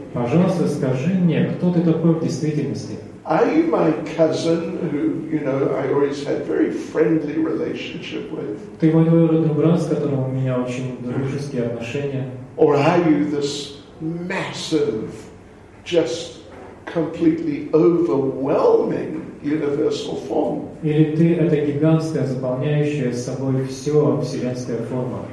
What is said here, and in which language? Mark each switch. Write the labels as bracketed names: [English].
[Russian] Пожалуйста, скажи мне, кто ты такой в действительности? [English] Are you my cousin, who, you know, I always had very friendly relationship with? [Russian] Ты мой двоюродный брат, с которым у меня очень дружеские отношения? [English] Or are you this massive, just completely overwhelming universal form? [Russian] Или ты это гигантская, заполняющая собой все вселенская форма?